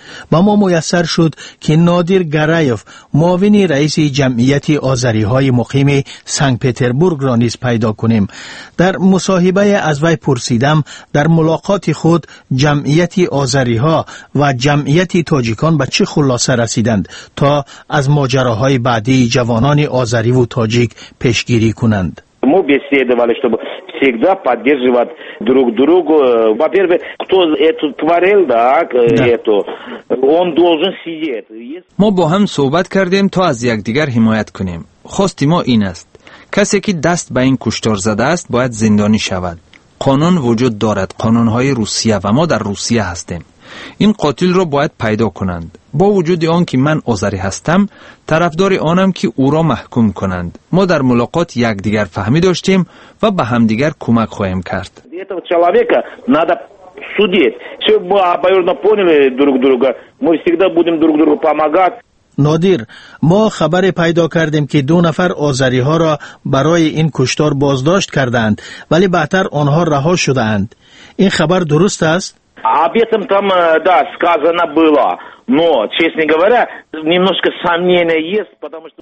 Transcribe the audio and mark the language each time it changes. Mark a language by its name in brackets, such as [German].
[Persian] با ما میسر شد که نادر گرایف معاون رئیس جمعیت آذری های مقیم سن پترزبورگ را نیز پیدا کنیم در مصاحبه از وی پرسیدم در ملاقات خود جمعیت آذری ها و جمعیت تاجیکان به چه خلاصه رسیدند تا از ماجراهای بعدی جوانان آذری و تاجیک پیشگیری کنند [Russian] Мы беседовали, чтобы всегда поддерживать друг друга. Во-первых, кто это творил, да, это, он должен сидеть. Мы [Persian] با هم صحبت کردیم تا از یکدیگر حمایت کنیم. خواست ما این است. کسی که دست به این کشتار زده است باید زندانی شود. قانون وجود دارد. قانونهای روسیه و ما در روسیه هستیم. این قاتل را باید پیدا کنند با وجود آن که من آذری هستم طرفدار آنم که او را محکوم کنند ما در ملاقات یک دیگر فهمی داشتیم و به هم دیگر کمک خواهیم کرد این [Russian] человека надо судить все мы обоюдно поняли друг друга мы всегда будем друг другу помогать [Persian] نادر ما خبر پیدا کردیم که 2 نفر آذری ها را برای این کشتار بازداشت کردند ولی بعدتر آنها رها شده اند این خبر درست است [Russian] Об этом там, да, сказано было, но, честно говоря, немножко сомнения есть, потому что...